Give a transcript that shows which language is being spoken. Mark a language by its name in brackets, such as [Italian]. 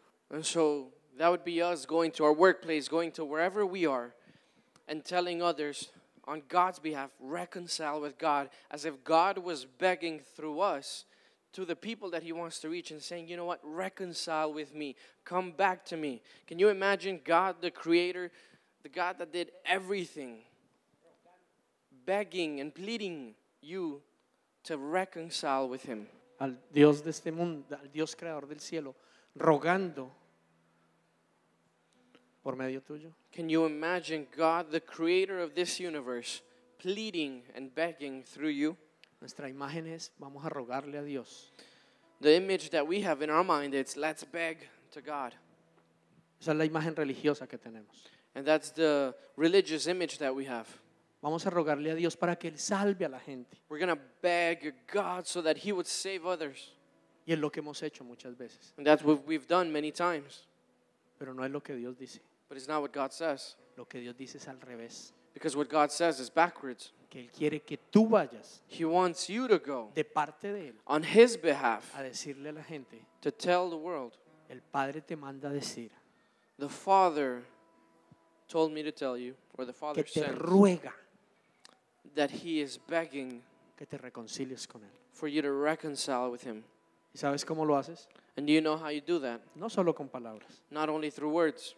[English] And so that would be us going to our workplace, going to wherever we are, and telling others on God's behalf, reconcile with God, as if God was begging through us to the people that he wants to reach and saying, you know what, reconcile with me, come back to me. Can you imagine God, the creator, the God that did everything, begging and pleading you to reconcile with him? [Spanish] Al Dios de este mundo, al Dios creador del cielo, rogando por medio tuyo. [English] Can you imagine God, the creator of this universe, pleading and begging through you? [Spanish] Nuestra imagen es, vamos a rogarle a Dios. [English] The image that we have in our mind is, let's beg to God. [Spanish] Esa es la imagen religiosa que tenemos. [English] And that's the religious image that we have. [Spanish] Vamos a rogarle a Dios para que Él salve a la gente. [English] We're going to beg God so that he would save others. [Spanish] Y es lo que hemos hecho muchas veces. [English] And that's what we've done many times. [Spanish] Pero no es lo que Dios dice. [English] But it's not what God says. [Spanish] Lo que Dios dice es al revés. [English] Because what God says is backwards. [Spanish] Que Él quiere que tú vayas. [English] He wants you to go. [Spanish] De parte de Él. [English] On his behalf. [Spanish] A decirle a la gente. [English] To tell the world. [Spanish] El Padre te manda a decir. [English] The Father told me to tell you. Or the Father said. [Spanish] Que te ruega. [English] That he is begging. [Spanish] Que te reconcilies con Él. [English] For you to reconcile with him. [Spanish] ¿Y sabes cómo lo haces? [English] And do you know how you do that? [Spanish] No solo con palabras. [English] Not only through words.